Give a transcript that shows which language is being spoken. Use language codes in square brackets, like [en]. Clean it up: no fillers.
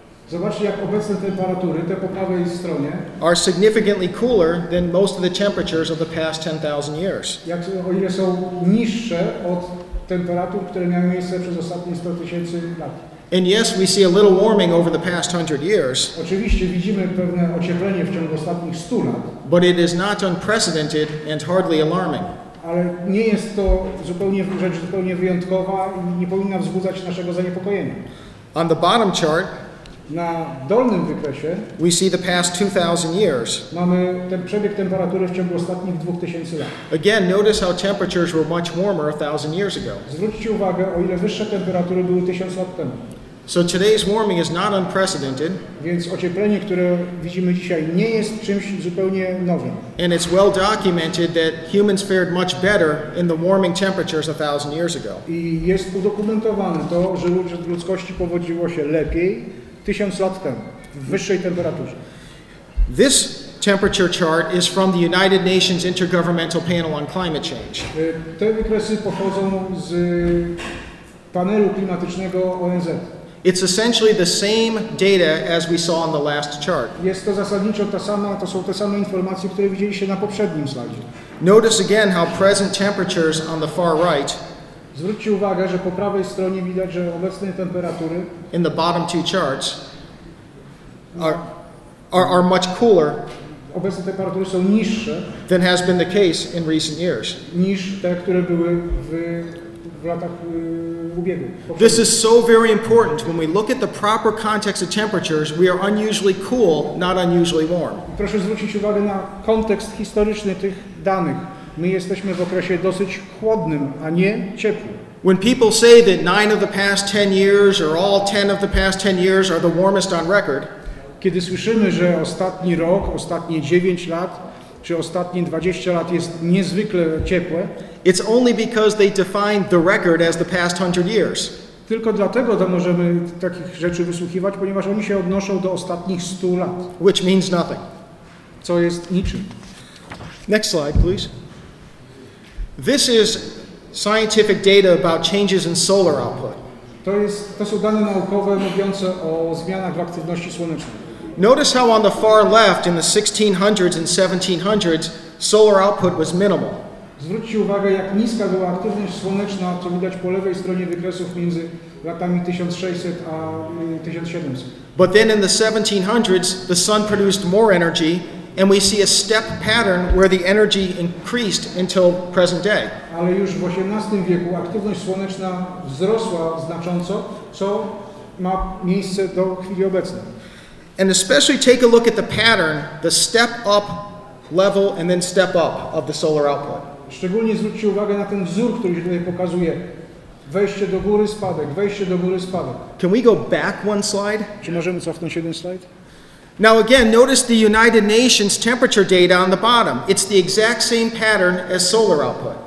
[pl] Zobaczcie, jak obecne temperatury, te po prawej stronie, [en] are significantly cooler than most of the temperatures of the past 10,000 years. [pl] Jak, o ile są niższe od temperatur, które miały miejsce przez ostatnie 100 tysięcy lat. [en] And yes, we see a little warming over the past 100 years. [pl] Oczywiście widzimy pewne ocieplenie w ciągu ostatnich 100 lat. [en] But it is not unprecedented and hardly alarming. [pl] Ale nie jest to zupełnie rzecz zupełnie wyjątkowa i nie powinna wzbudzać naszego zaniepokojenia. [en] On the bottom chart, [pl] na dolnym wykresie [en] we see the past 2000 years. [pl] Mamy ten przebieg temperatury w ciągu ostatnich 2000 lat. [en] Again, notice how temperatures were much warmer 1000 years ago. [pl] Zwróćcie uwagę, o ile wyższe temperatury były 1000 lat temu. [en] So today's warming is not unprecedented. [pl] Więc ocieplenie, które widzimy dzisiaj, nie jest czymś zupełnie nowym. [en] And it's well documented that humans fared much better in the warming temperatures 1000 years ago. [pl] I jest udokumentowane to, że ludzkości powodziło się lepiej 1000 lat temu, w wyższej temperaturze. [en] This temperature chart is from the United Nations Intergovernmental Panel on Climate Change. [pl] Te wykresy pochodzą z panelu klimatycznego ONZ. [en] It's essentially the same data as we saw on the last chart. [pl] Jest to zasadniczo ta sama, to są te same informacje, które widzieliście na poprzednim slajdzie. [en] Notice again how present temperatures on the far right. [pl] Zwróćcie uwagę, że po prawej stronie widać, że obecne temperatury [en] in the bottom two charts are much cooler. [pl] Obecne temperatury są niższe [en] than has been the case in recent years. [pl] Niż te, które były w latach ubiegłych. [en] This is so very important. When we look at the proper context of temperatures, we are unusually cool, not unusually warm. [pl] Proszę zwrócić uwagę na kontekst historyczny tych danych. My jesteśmy w okresie dosyć chłodnym, a nie ciepłym. [en] When people say that 9 of the past 10 years or all 10 of the past 10 years are the warmest on record, [pl] kiedy słyszymy, że ostatni rok, ostatnie 9 lat czy ostatnie 20 lat jest niezwykle ciepłe, [en] it's only because they define the record as the past 100 years. [pl] Tylko dlatego to możemy takich rzeczy wysłuchiwać, ponieważ oni się odnoszą do ostatnich 100 lat. [en] Which means nothing. [pl] Co jest niczym. [en] Next slide, please. This is scientific data about changes in solar output. [pl] To są dane naukowe mówiące o zmianach w aktywności słonecznej. [en] Notice how on the far left in the 1600s and 1700s solar output was minimal. [pl] Zwróćcie uwagę, jak niska była aktywność słoneczna, co widać po lewej stronie wykresów między latami 1600 a 1700. [en] But then in the 1700s the sun produced more energy. And we see a step pattern where the energy increased until present day. [pl] Ale już w XVIII wieku aktywność słoneczna wzrosła znacząco, co ma miejsce do chwili obecnej. [en] And especially take a look at the pattern, the step up level and then step up of the solar output. [pl] Szczególnie zwróćcie uwagę na ten wzór, który się tutaj pokazuje. Wejście do góry, spadek, wejście do góry, spadek. [en] Can we go back one slide? [pl] Czy możemy cofnąć jeden slajd? [en] Now again, notice the United Nations temperature data on the bottom. It's the exact same pattern as solar output.